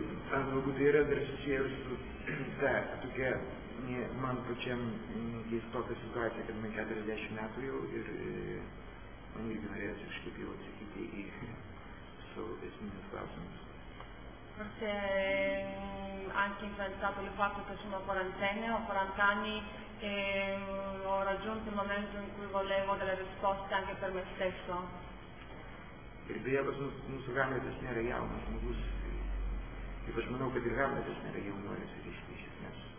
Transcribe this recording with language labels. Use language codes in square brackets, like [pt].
[lt] Galbūt tai yra dar susiję ir su ta tokia man pačiam keistoka situacija, kad man 40 metų jau ir man irgi norėjosi kažkaip jau atsakyti į savo esminius klausimus. [it] Forse anche influenzato il fatto che sono quarantenne o 40 anni e ho raggiunto il momento in cui volevo delle risposte anche per me stesso. [lt] Ir beje, pas mūsų Hamletas nėra jaunas žmogus. Ir aš manau, kad ir Hamletas nėra jaunuolis iš esmės.